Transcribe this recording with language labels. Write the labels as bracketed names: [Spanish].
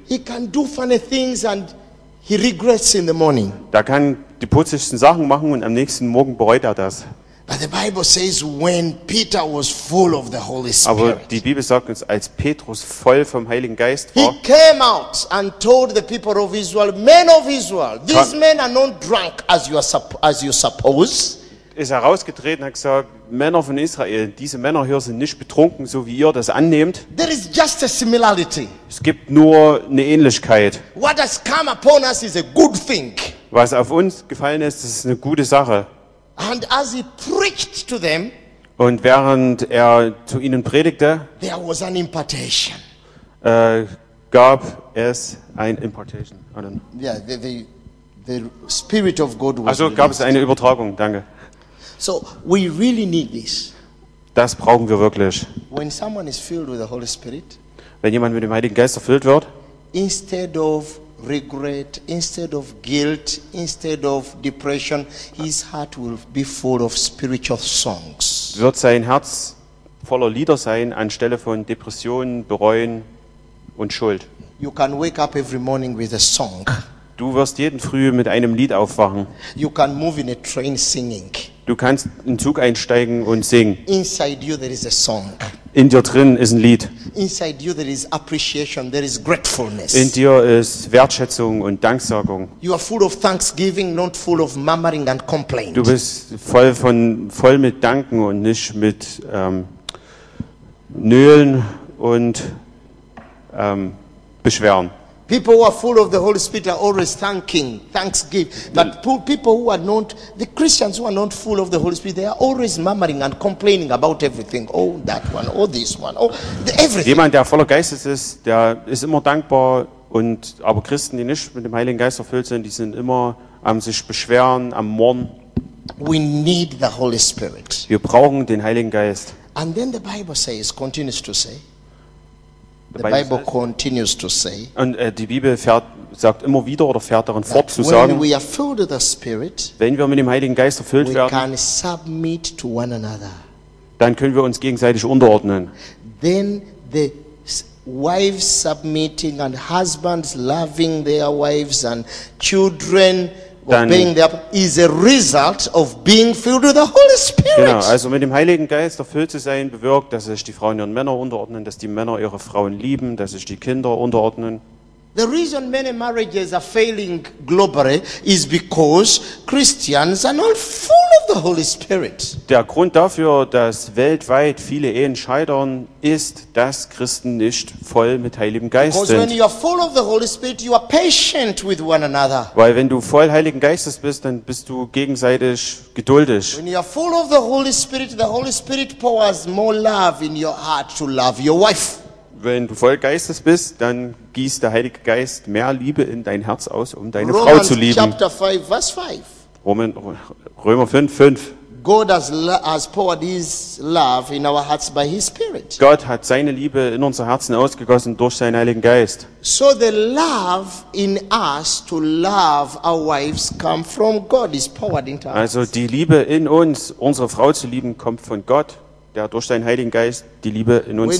[English] He can do funny things and he regrets in the morning. [German] Da kann die putzigsten Sachen machen und am nächsten Morgen bereut er das. [English] But the Bible says when Peter was full of the Holy Spirit. [German] Aber die Bibel sagt uns, als Petrus voll vom Heiligen Geist war, [English] he came out and told the people of Israel, men of Israel, these men are not drunk as you suppose. [German] Ist herausgetreten, hat gesagt, Männer von Israel, diese Männer hier sind nicht betrunken, so wie ihr das annehmt. [English] There is just a similarity. [German] Es gibt nur eine Ähnlichkeit. [English] What has come upon us is a good thing. [German] Was auf uns gefallen ist, das ist eine gute Sache. [English] And as he preached to them, [German] und während er zu ihnen predigte, [English] there was an impartation. [German] Gab es ein Impartation. [English] Yeah, the Spirit of God was [German] also gab released. Es eine Übertragung, danke. [English] So we really need this. [German] Das brauchen wir wirklich. [English] When someone is filled with the Holy Spirit, [German] wenn jemand mit dem Heiligen Geist erfüllt wird, [English] instead of regret, instead of guilt, instead of depression, his heart will be full of spiritual songs. [German] Wird sein Herz voller Lieder sein anstelle von Depressionen, Bereuen und Schuld. [English] You can wake up every morning with a song. [German] Du wirst jeden Früh mit einem Lied aufwachen. [English] You can move in a train singing. [German] Du kannst in Zug einsteigen und singen. [English] Inside you there is a song. [German] In dir drin ist ein Lied. [English] Inside you there is appreciation, there is gratefulness. [German] In dir ist Wertschätzung und Danksagung. [English] You are full of thanksgiving, not full of murmuring and complaint. [German] Du bist voll mit Danken und nicht mit Nölen und Beschweren. [English] People who are full of the Holy Spirit are always thanking, thanksgiving. But people who are not, the Christians who are not full of the Holy Spirit, they are always murmuring and complaining about everything. Oh, that one, oh, this one, oh, everything. [German] Jemand, der voller Geistes ist, der ist immer dankbar. Und aber Christen, die nicht mit dem Heiligen Geist erfüllt sind, die sind immer am sich beschweren, am murren. [English] We need the Holy Spirit. [German] Wir brauchen den Heiligen Geist. [English] And then the Bible says, continues to say. The Bible continues to say, [German] und die Bibel sagt immer wieder oder fährt darin fort zu sagen, wenn wir mit dem Heiligen Geist erfüllt werden, [English] submit to one another. [German] Dann können wir uns gegenseitig unterordnen. [English] Then the wives submitting and husbands loving their wives and children obeying their is a result of being filled with the Holy Spirit. [German] Genau, also mit dem Heiligen Geist erfüllt zu sein bewirkt, dass sich die Frauen ihren Männern unterordnen, dass die Männer ihre Frauen lieben, dass sich die Kinder unterordnen. [English] The reason many marriages are failing globally is because Christians are not full of the Holy Spirit. [German] Der Grund dafür, dass weltweit viele Ehen scheitern, ist, dass Christen nicht voll mit Heiligem Geist sind. [English] Because when you are full of the Holy Spirit, you are patient with one another. [German] Weil wenn du voll Heiligen Geistes bist, dann bist du gegenseitig geduldig. [English] When you are full of the Holy Spirit pours more love in your heart to love your wife. [German] Wenn du voll Geistes bist, dann gießt der Heilige Geist mehr Liebe in dein Herz aus, um deine [English] Romans [German] Frau zu lieben. [English] Chapter 5, verse 5. [German] Römer 5:5. [English] God has poured his love in our hearts by his Spirit. [German] Gott hat seine Liebe in unser Herzen ausgegossen durch seinen Heiligen Geist. [English] So the love in us to love our wives comes from God, is poured into us. [German] Also die Liebe in uns, unsere Frau zu lieben, kommt von Gott, der durch seinen Heiligen Geist die Liebe in uns